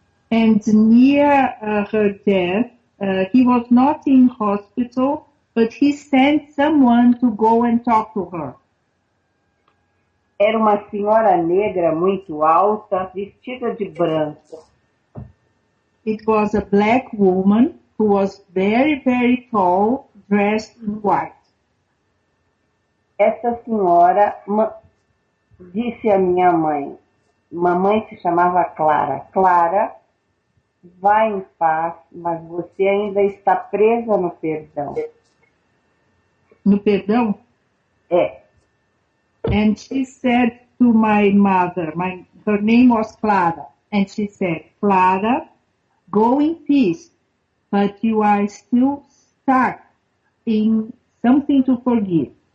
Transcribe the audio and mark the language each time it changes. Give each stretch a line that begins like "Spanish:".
English: And near her death, He was not in hospital, but he sent someone to go and talk to her.
Portuguese: Era uma senhora negra muito alta, vestida de branco.
English: It was a black woman who was very, very tall, dressed in white.
Portuguese: Essa senhora disse à minha mãe, mamãe se chamava Clara, Clara, vai em paz, mas você ainda está presa no perdão. No perdão? É.
English: And she said to my mother, her name was Clara, and she said, Clara, go in peace, but you are still stuck in something to forgive.